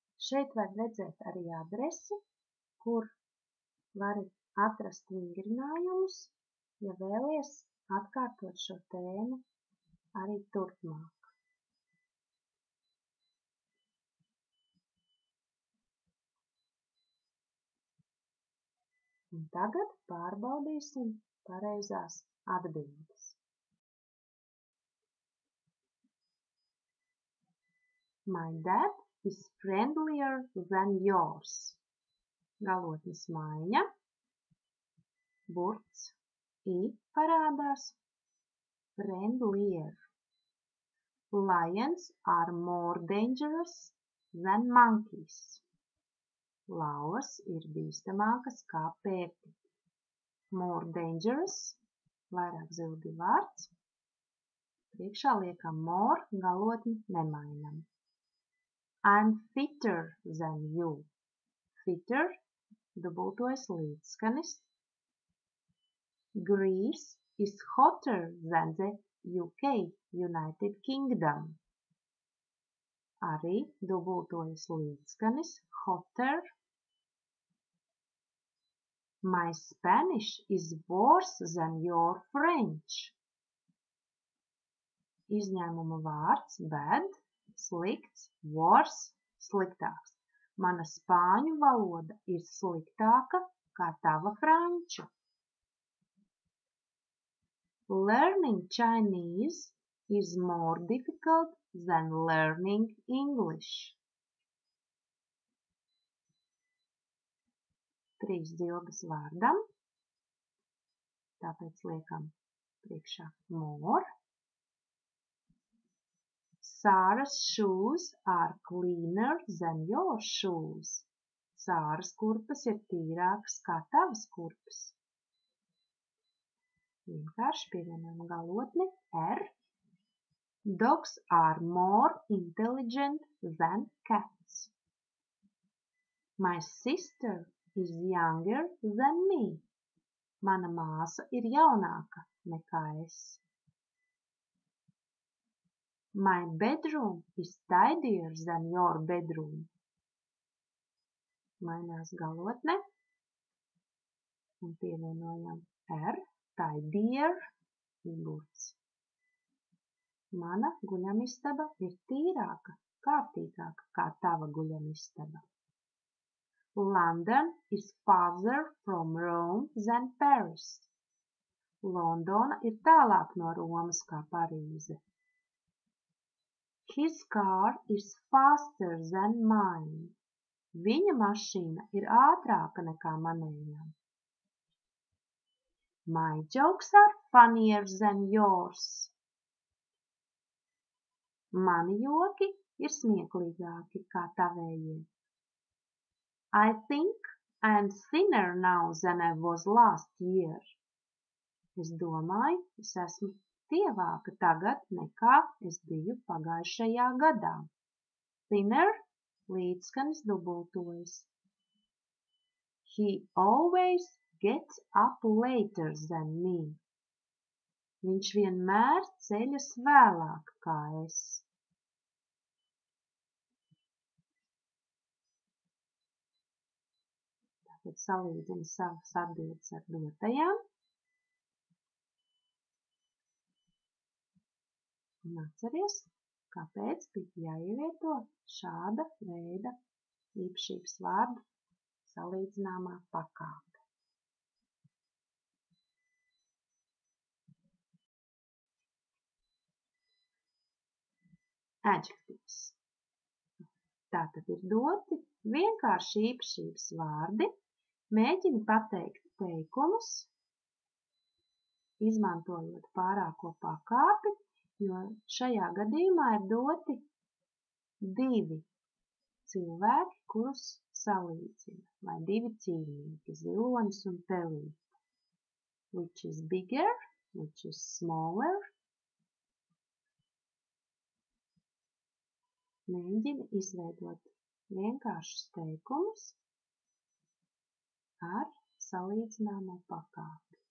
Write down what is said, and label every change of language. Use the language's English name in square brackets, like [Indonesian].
[Latvian] Šeit var redzēt arī adresi, kur var atrast vingrinājumus, ja vēlies atkārtot šo tēmu arī turpmāk. Un tagad pārbaudīsim pareizās atbildes. [English] My dad is friendlier than yours. [Latvian] Galotnes maiņa. Burts i parādās. Friendlier. [English] Lions are more dangerous than monkeys. [Latvian] Lauvas ir bīstamākas kā pērti. [English] More dangerous. [Latvian] Vairāk zildi vārds. Priekšā liekam more, galotni nemainam. [English] I'm fitter than you. [Latvian] Fitter, dubultojas līdzskanis. [English] Greece is hotter than the UK, United Kingdom. [Latvian] Arī dubultojas līdzskanis, hotter. [English] My Spanish is worse than your French. [Latvian] Izņēmuma vārds bad. Slikts, worse, sliktāks. Mana spāņu valoda ir sliktāka kā tava franču. [English] Learning Chinese is more difficult than learning English. [Latvian] Trīs dzilgas vārdam. Tāpēc liekam priekšā more. [English] Sāras shoes are cleaner than your shoes. [Latvian] Sāras kurpes ir tīrākas kā tavas kurpes. Vienkārši pievienam galotni R. [English] Dogs are more intelligent than cats. My sister is younger than me. [Latvian] Mana māsa ir jaunāka nekā es. [English] My bedroom is tidier than your bedroom. [Latvian] Mainās galotne. Un pievienojam R. Tidier. Burts. Mana guļamistaba ir tīrāka, kārtīgāka kā tava guļamistaba. [English] London is farther from Rome than Paris. [Latvian] Londona ir tālāk no Romas kā Parīze. [English] His car is faster than mine. [Latvian] Viņa mašīna ir ātrāka nekā manējā. [English] My jokes are funnier than yours. [Latvian] Mani joki ir smieklīgāki kā tavējie. [English] I think I am thinner now than I was last year. [Latvian] Es domāju, es esmu tievāka tagad nekā es biju pagājušajā gadā. Thinner līdzskanis dubultojas. [English] He always gets up later than me. [Latvian] Viņš vienmēr ceļas vēlāk kā es. tad salīdzina savas atbildes ar dotajām. Un atceries, kāpēc bija jāievieto šāda veida īpašības vārdu salīdzināmā pakāpe. Adjektīvs. Tātad ir doti vienkārši īpašības vārdi, mēģini pateikt teikumus, izmantojot pārāko pakāpi, jo šajā gadījumā ir doti divi cilvēki, kurus salīdzina, vai divi cīvnieki, zilonis un pelīte. [English] Which is bigger, which is smaller. [Latvian] Mēģini izveidot vienkāršus teikumus ar salīdzināmo pakāpi.